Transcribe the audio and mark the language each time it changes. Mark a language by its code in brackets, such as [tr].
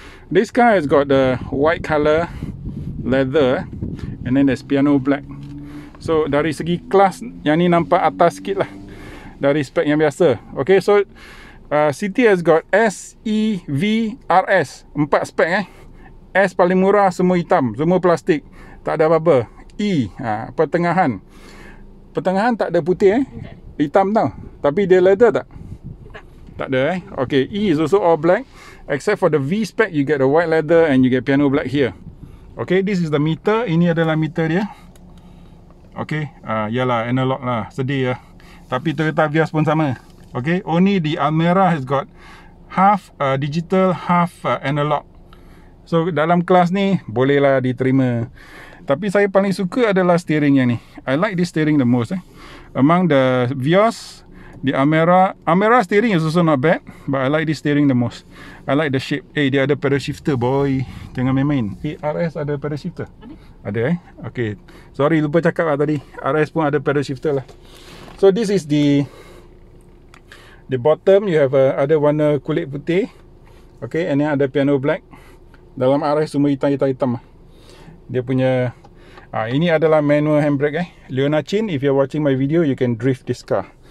[en] This car has got the white color leather and then there's piano black. [ms] So dari segi kelas, yang ni nampak atas sikit lah dari spek yang biasa. [en] Okay, so City has got S, E, V, R, S. [ms] Empat spek S paling murah, semua hitam, semua plastik, tak ada apa-apa. E, pertengahan. Pertengahan tak ada putih Hitam tau. Tapi dia leather tak? Tak ada eh. Okay. [en] E is also all black. Except for the V spec, you get a white leather and you get piano black here. [ms] Okay. [en] This is the meter. [ms] Ini adalah meter dia. Okay. Yalah. Analog lah. Sedih ya. Tapi Toyota Vios pun sama. Okay. [en] Only the Almera has got half digital, half analog. [ms] So, dalam kelas ni, bolehlah diterima. Tapi saya paling suka adalah steering yang ni. [en] I like this steering the most. Eh. Among the Vios, the Almera. Almera steering is also not bad. But I like this steering the most. I like the shape. [ms] Eh, dia ada pedal shifter, boy. Jangan main-main. RS ada pedal shifter? Ada. Ada eh? Okay. Sorry, lupa cakap lah tadi. RS pun ada pedal shifter lah. [en] So, this is the bottom. You have [ms] ada warna kulit putih. [en] Okay, and then ada piano black. [ms] Dalam RS semua hitam-hitam-hitam. Dia punya... ini adalah manual handbrake eh. [en] Leona Chin, if you're watching my video, you can drift this car.